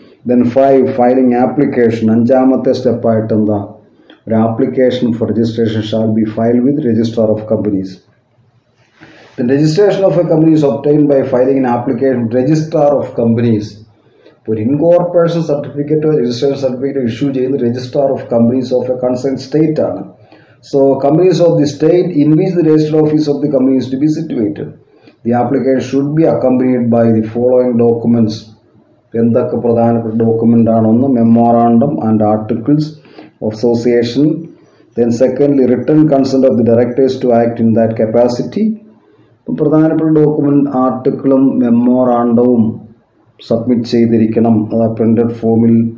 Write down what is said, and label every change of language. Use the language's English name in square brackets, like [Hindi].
[English] Then 5, filing application. [Malayalam] അഞ്ചാമത്തെ സ്റ്റെപ്പായിട്ട് എന്താ, [English] ഒരു application for registration shall be file with registrar of companies. Then registration of a company is obtain by filing in application registrar of companies. [Malayalam] ഒരു incorporation സർട്ടിഫിക്കറ്റോ registration സർട്ടിഫിക്കറ്റോ issue ചെയ്യുന്ന registrar of companies of A concern state ആണ്. [English] So, companies of the state in which the registered office of the company is to be situated. The application should be accompanied by the following documents. [Malayalam] എന്തൊക്കെ പ്രധാനപ്പെട്ട document ആണ്? ഒന്ന്, memorandum and articles of association. [English] Then secondly, written consent of the directors to act in that capacity. [Malayalam] അപ്പം പ്രധാനപ്പെട്ട document ആർട്ടിക്കിളും മെമ്മോറാണ്ടവും submit ചെയ്തിരിക്കണം, അത് ആ printed ഫോമിൽ.